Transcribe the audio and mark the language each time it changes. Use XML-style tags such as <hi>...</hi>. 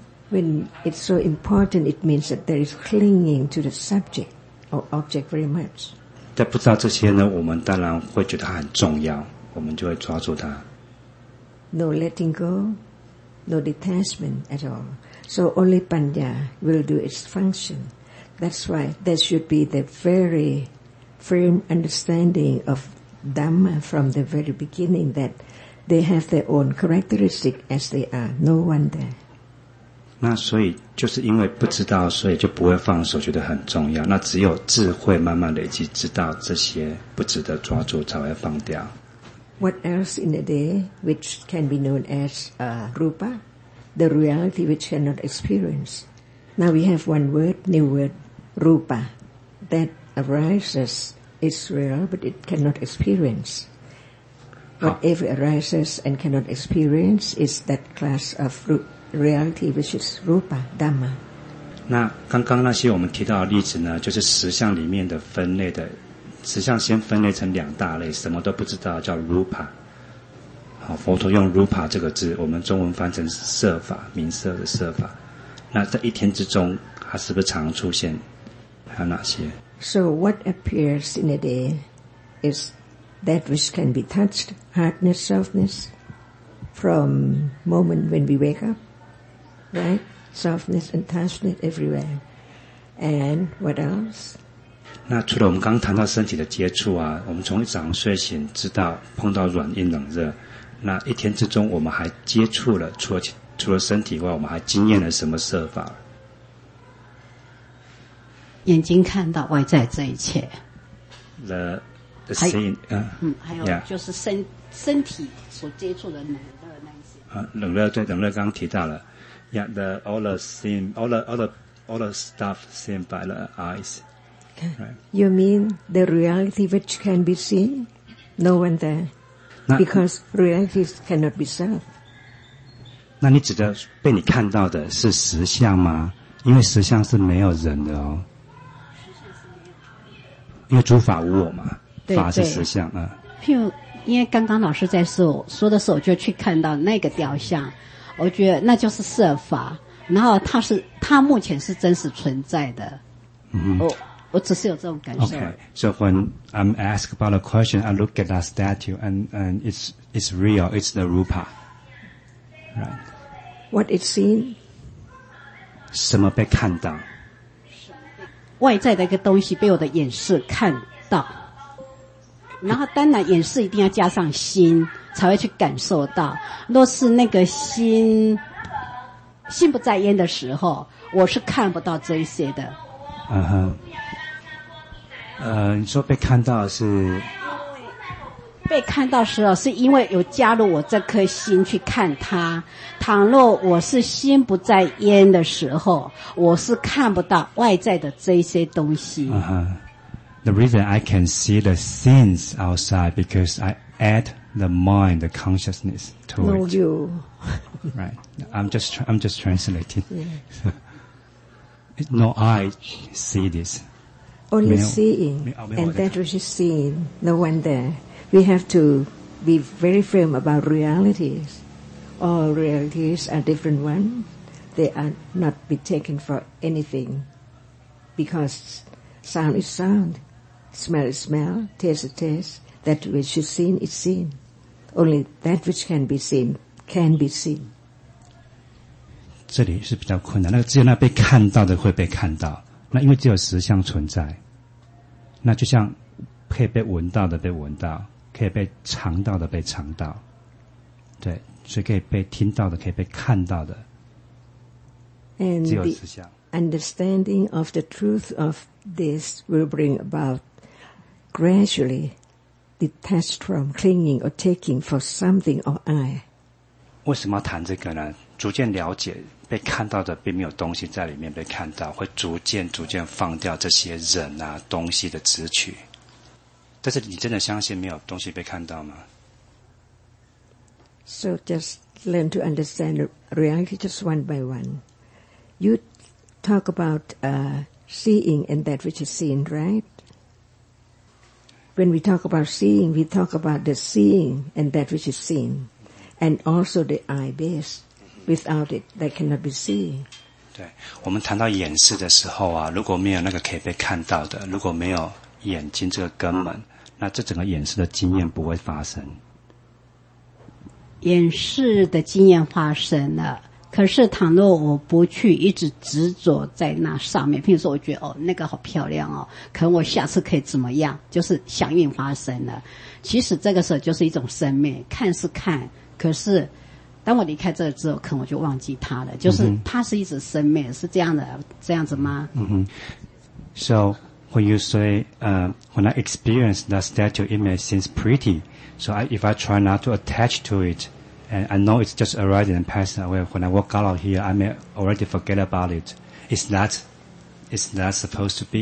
<en>When it's so important, it means that there is clinging to the subject or object very much.</en> <zh>但不知道这些呢，我们当然会觉得它很重要，我们就会抓住它。</zh> <en>No letting go, no detachment at all. So only panya will do its function. That's why there should be the very firm understanding of. Dhamma from the very beginning that they have their own characteristic as they are. No one there.</en> <zh>那所以就是因为不知道，所以就不会放手，觉得很重要。那只有智慧慢慢累积，知道这些不值得抓住，才会放掉。</zh> <en>What else in the day which can be known as rupa, the reality which cannot experience? Now we have one word, new word, rupa, that arises. It's real, but it cannot experience. Whatever arises and cannot experience is that class of reality, which is rupa, dhamma.</en> <zh>那刚刚那些我们提到的例子呢，就是实相里面的分类的，实相先分类成两大类，什么都不知道叫 rupa。好，佛陀用 rupa 这个字，我们中文翻成色法，名色的色法。那在一天之中，它是不是常出现？还有哪些？</zh> <en>So what appears in a day is that which can be touched, hardness, softness, from moment when we wake up, right? Softness and touchness everywhere. And what else?</en> <zh>那除了我们刚谈到身体的接触啊，我们从早上睡醒知道碰到软硬冷热，那一天之中我们还接触了，除了身体以外，我们还经验了什么色法？眼睛看到外在这一切</zh> <en>the scene</en> <zh>还有就是身体所接触的冷热那一些冷热对冷热刚刚提到了</zh> <en>yeah, the all the scene all the stuff seen by the eyes、right? You mean the reality which can be seen no one there because reality cannot be seen</en> <zh>那你指的被你看到的是实相吗因为实相是没有人的哦因为诸法无我嘛，法是实相啊。譬如，因为刚刚老师在说的时候，我就去看到那个雕像，我觉得那就是色法，然后它目前是真实存在的。嗯，我只是有这种感受。</zh> <en>Okay, so when I'm asked about a question, I look at that statue, and it's real, it's the rupa, right? What it seen?</en> <zh>什么被看到？外在的一个东西被我的眼视看到然后当然眼视一定要加上心才会去感受到若是那个心不在焉的时候我是看不到这一些的你说被看到是被看到的时候是因为有加入我这颗心去看它倘若我是心不在焉的时候我是看不到外在的这些东西、</zh> <en>The reason I can see the scenes outside because I add the mind, the consciousness to no, it No, you Right, I'm just translating、 yeah. No, I see this Only seeing and that which is seen, no one thereWe have to be very firm about realities. All realities are different ones. They are not be taken for anything. Because sound is sound, smell is smell, taste is taste. That which is seen is seen. Only that which can be seen can be seen.</en> <zh>这里是比较困难。那只有那被看到的会被看到。那因为只有实相存在。那就像可以被闻到的被闻到。可以被尝到的被尝到对所以可以被听到的可以被看到的</zh> <en>And</en> <zh>只有实相</zh> <en>the understanding of the truth of this will bring about gradually detached from clinging or taking for something or I</en> <zh>为什么要谈这个呢？逐渐了解被看到的并没有东西在里面被看到，会逐渐逐渐放掉这些人啊东西的执取。但是你真的相信没有东西被看到吗？</zh> <en>So just learn to understand reality just one by one. You talk about seeing and that which is seen, right? When we talk about seeing, we talk about the seeing and that which is seen. And also the eye base. Without it, that cannot be seen.</en> <zh>对，我们谈到眼视的时候啊，如果没有那个可以被看到的，如果没有眼睛这个根本，那这整个眼视的经验不会发生。眼视的经验发生了，可是倘若我不去一直执着在那上面，譬如说我觉得哦那个好漂亮哦，可能我下次可以怎么样，就是想运发生了。其实这个时候就是一种生命，看是看，可是当我离开这之后，可能我就忘记他了。就是他是一直生灭，是这样的，这样子吗？嗯哼。</zh> <en>So when you say, when I experience that statue, it may seem pretty. So if I try not to attach to it, and I know it's just arising and passing away, when I walk out here, I may already forget about it. Is that supposed to be?</en>